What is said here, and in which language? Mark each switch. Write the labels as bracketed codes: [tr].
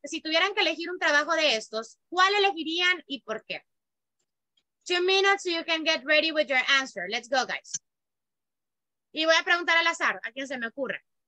[es] Si tuvieran que elegir un trabajo de estos, ¿cuál elegirían y por qué? [en] 2 minutes so you can get ready with your answer. Let's go, guys. [es] Y voy a preguntar al azar, a quien se me ocurra.